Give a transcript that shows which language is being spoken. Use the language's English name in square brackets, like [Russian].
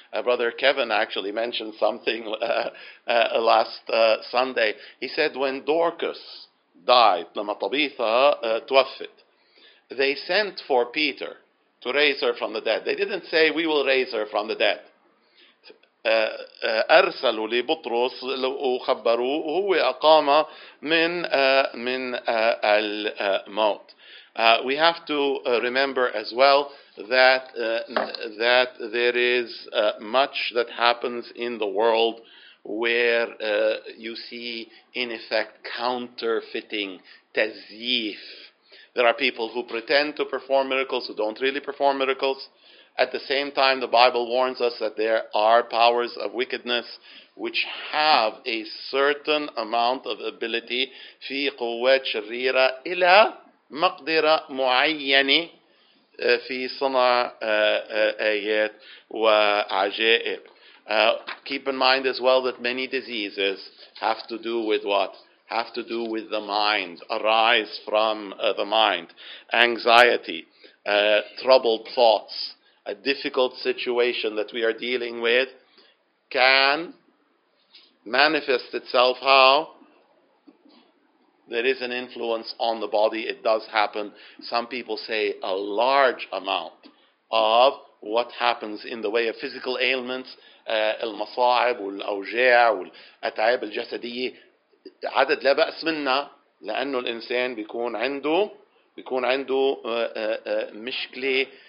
[English] Brother Kevin actually mentioned something last Sunday. He said when Dorcas died, [Arabic] لما طبيثة توفت, [English] they sent for Peter to raise her from the dead. They didn't say, we will raise her from the dead. [Arabic] أرسلوا لبطرس وخبروا وهو أقام من الموت. [English] We have to remember as well that that there is much that happens in the world where you see, in effect, counterfeiting, tazif. There are people who pretend to perform miracles, who don't really perform miracles. At the same time, the Bible warns us that there are powers of wickedness which have a certain amount of ability. [Arabic] في قوة شريرة إلى مقدرة معينة في صنع آيات وعجائب. [English] Keep in mind as well that many diseases have to do with what? Have to do with the mind, arise from the mind. Anxiety, troubled thoughts, a difficult situation that we are dealing with can manifest itself how? There is an influence on the body. It does happen. Some people say a large amount of what happens in the way of physical ailments, [Arabic] المصاعب والأوجاع والأتعاب الجسدية عدد لا بأس منها, لأنه الإنسان بيكون عنده مشكلة